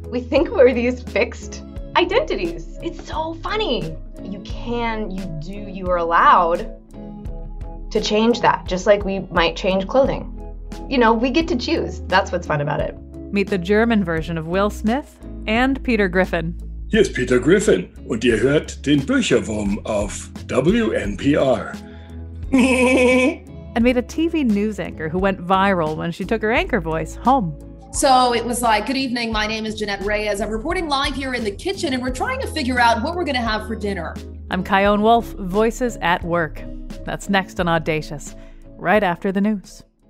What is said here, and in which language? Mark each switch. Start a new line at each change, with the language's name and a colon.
English: We think we're these fixed identities. It's so funny. You are allowed to change that, just like we might change clothing. You know, we get to choose. That's what's fun about it. Meet the German version of Will Smith and Peter Griffin.
German: Hier ist Peter Griffin und ihr hört den Bücherwurm auf WNPR.
English: And meet a TV news anchor who went viral when she took her anchor voice home. So it was like, good evening, my name is Jeanette Reyes. I'm reporting live here in the kitchen and we're trying to figure out what we're going to have for dinner. I'm Kyone Wolf, Voices at Work. That's next on Audacious, right after the news.